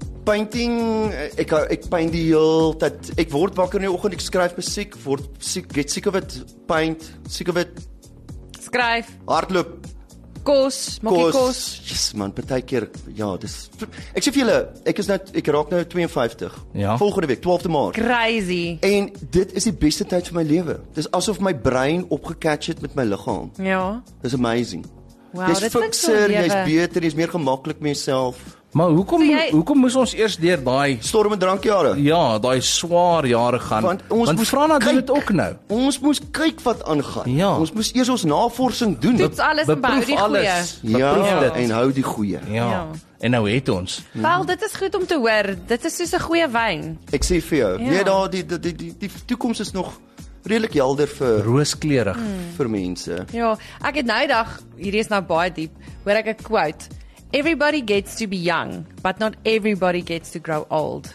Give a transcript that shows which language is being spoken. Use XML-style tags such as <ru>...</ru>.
<af>Painting, ek paint die hele tyd. Ek word wakker in die oggend, ek skryf musiek, word siek,</af> <en>get sick of it,</en> <af>paint,</af> <en>sick of it.</en> <af>Skryf. Hardloop. Kos, maak jy kos.</af> <en>Yes man,</en> <af>partykeer, ja, dis... Ek sê vir julle, ek raak nou 52. Ja. Volgende week, 12de maart.</af> <en>Crazy.</en> <af>En dit is die beste tyd van my lewe. Dis asof my brein opgecatch het met my liggaam. Ja. Dis amazing. Wow, dis fikser, jy is beter, jy is meer gemaklik met jouself. Maar hoekom moes ons eers deur daai storm en drankjare? Ja, daai swaar jare gaan. Want ons vra nou dit ook nou. Ons moes kyk wat aangaan. Ja. Ons moes eers ons navorsing doen. Dit's alles en bou die goeie. Ja, en hou die goeie. Ja. En nou het ons. Wel, dit is goed om te hoor. Dit is soos 'n goeie wyn. Ek sê vir jou, nee, daar die toekoms is nog redelik helder vir rooskleurig vir mense. Ja, ek het nou dag, hierdie is nou baie diep, hoor ek 'n quote.</af> <en>Everybody gets to be young, but not everybody gets to grow old.</en>